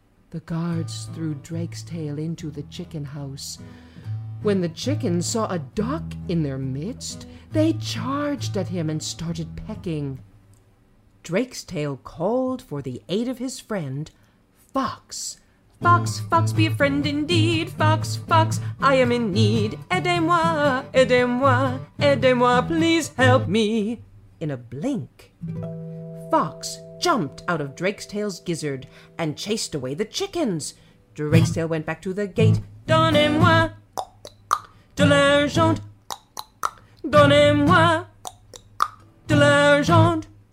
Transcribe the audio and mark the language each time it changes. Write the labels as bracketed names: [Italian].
[English] The guards threw Drakestail into the chicken house. When the chickens saw a duck in their midst, they charged at him and started pecking. Drakestail called for the aid of his friend, Fox. Fox, Fox, be a friend indeed. Fox, Fox, I am in need. [French] Aidez-moi, aidez-moi, aidez-moi, [English] please help me. In a blink, Fox jumped out of Drakestail's gizzard and chased away the chickens. Drakestail went back to the gate. [French] Donnez-moi de l'argent. Donnez-moi de l'argent.